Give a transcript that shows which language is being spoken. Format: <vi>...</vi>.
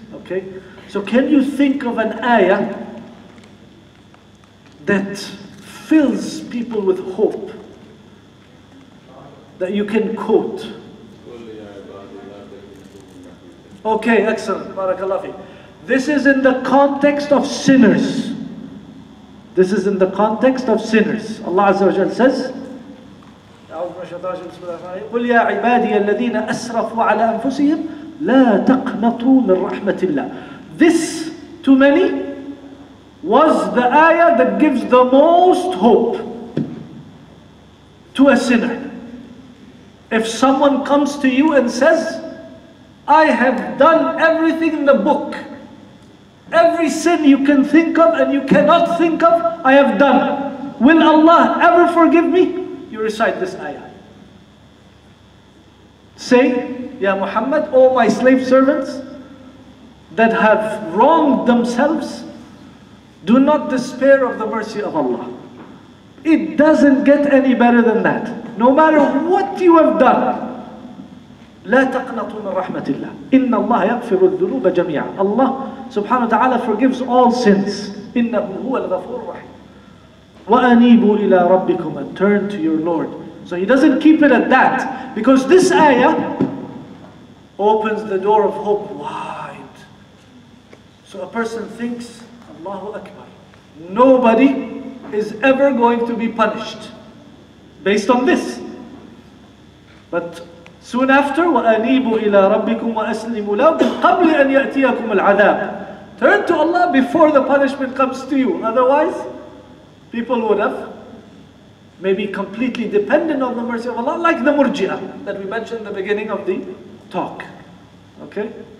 <en>Okay, so can you think of an ayah that fills people with hope that you can quote? Okay, excellent. Barakallahu fi. This is in the context of sinners. This is in the context of sinners. Allah Azza wa Jalla says,</en> <ar>قُلْ يَا عِبَادِيَ الَّذِينَ أَسْرَفُوا عَلَىٰ أَنفُسِهِمْ لَا تَقْنَطُوا مِنْ رَحْمَةِ اللَّهِ.</ar> <en>This, to many, was the ayah that gives the most hope to a sinner. If someone comes to you and says, I have done everything in the book, every sin you can think of and you cannot think of, I have done. Will Allah ever forgive me? You recite this ayah. Say, Ya Muhammad, all my slave servants that have wronged themselves, do not despair of the mercy of Allah. It doesn't get any better than that. No matter what you have done,</en> <ar>لا تقنطوا من رحمة الله إن الله يغفر الذنوب جميعا.</ar> <en>Allah subhanahu wa ta'ala forgives all sins.</en> <ar>إنه هو الغفور الرحيم. وأنيبوا إلى ربكم,</ar> <en>and turn to your Lord. So he doesn't keep it at that, because this ayah opens the door of hope wide. So a person thinks, Allahu Akbar, nobody is ever going to be punished based on this. But soon after,</en> <ar>وَأَنِيبُوا إِلَىٰ رَبِّكُمْ وَأَسْلِمُوا لَهُ قَبْلِ أَنْ يَأْتِيَكُمُ الْعَذَابِ.</ar> <en>Turn to Allah before the punishment comes to you. Otherwise, people would have maybe completely dependent on the mercy of Allah, like the Murji'a that we mentioned in the beginning of the talk. Okay?</en>